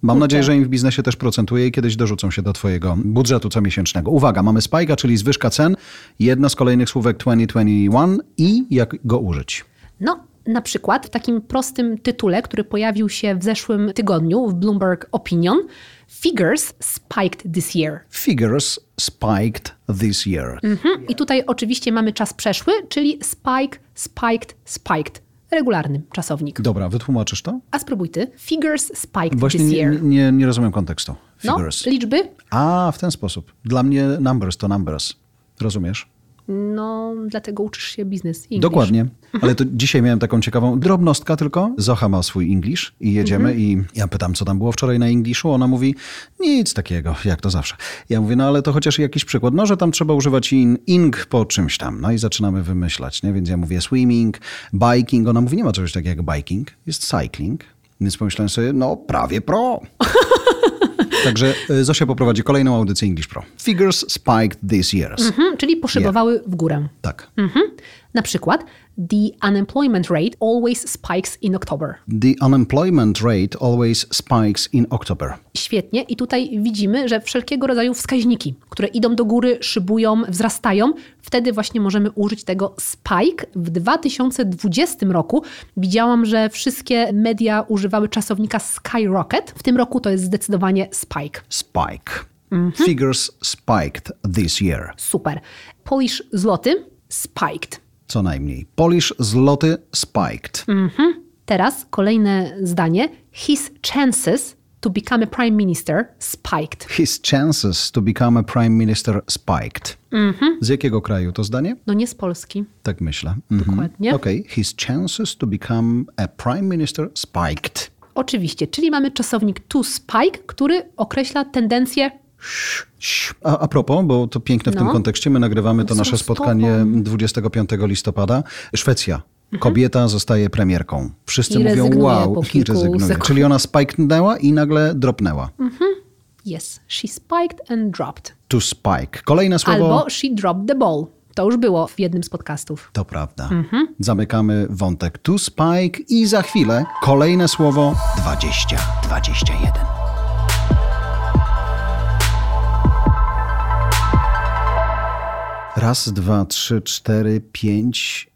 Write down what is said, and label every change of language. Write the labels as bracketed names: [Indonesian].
[Polish] Mam nadzieję, że im w biznesie też procentuje i kiedyś dorzucą się do twojego budżetu comiesięcznego. Uwaga, mamy spike'a, czyli zwyżka cen. Jedna z kolejnych słówek 2021 i jak go użyć. No... Na przykład w takim prostym tytule, który pojawił się w zeszłym tygodniu w Bloomberg Opinion, [English] figures spiked this year. Figures spiked this year. Mm-hmm. [Polish] I tutaj oczywiście mamy czas przeszły, czyli spike, spiked, spiked. Regularny czasownik. Dobra, wytłumaczysz to? A spróbuj ty. [English] Figures spiked [Polish] właśnie [English] this year. [Polish] Właśnie nie rozumiem kontekstu. Figures. No, liczby. A, w ten sposób. Dla mnie numbers to numbers. Rozumiesz? No, dlatego uczysz się biznes English. Dokładnie. Ale to dzisiaj miałem taką ciekawą drobnostkę tylko. Zocha ma swój English i jedziemy i ja pytam, co tam było wczoraj na Englishu. Ona mówi, nic takiego, jak to zawsze. Ja mówię, no ale to chociaż jakiś przykład. No, że tam trzeba używać ing po czymś tam. No i zaczynamy wymyślać, nie? Więc ja mówię swimming, biking. Ona mówi, nie ma czegoś takiego jak biking. Jest cycling. Więc pomyślałem sobie, no prawie pro. Także Zosia poprowadzi kolejną audycję English Pro. [English] Figures spiked this year. [Polish] Mm-hmm, czyli poszybowały w górę. Tak. [English] Mm-hmm. [Polish] Na przykład, [English] the unemployment rate always spikes in October. The unemployment rate always spikes in October. [Polish] Świetnie. I tutaj widzimy, że wszelkiego rodzaju wskaźniki, które idą do góry, szybują, wzrastają, wtedy właśnie możemy użyć tego spike. W 2020 roku widziałam, że wszystkie media używały czasownika skyrocket. W tym roku to jest zdecydowanie spike. Spike. Mm-hmm. [English] Figures spiked this year. Super. Polish złoty spiked. [Polish] Co najmniej. [English] Polish złoty spiked. [Polish] Mm-hmm. Teraz kolejne zdanie. [English] His chances to become a prime minister spiked. His chances to become a prime minister spiked. Mm-hmm. [Polish] Z jakiego kraju to zdanie? No nie z Polski. Tak myślę. Mm-hmm. Dokładnie. Okay. [English] His chances to become a prime minister spiked. [Polish] Oczywiście, czyli mamy czasownik to spike, który określa tendencję. A propos, bo to piękne w tym kontekście, my nagrywamy to nasze spotkanie 25 listopada. Szwecja. Kobieta zostaje premierką. Wszyscy i mówią wow i rezygnuje. Sekund. Czyli ona spiknęła i nagle dropnęła. Mm-hmm. [English] Yes, she spiked and dropped. [Polish] To spike. Kolejne słowo. Albo [English] she dropped the ball. [Polish] To już było w jednym z podcastów. To prawda. Mm-hmm. Zamykamy wątek to spike i za chwilę kolejne słowo 2021. Raz, dwa, trzy, cztery, pięć.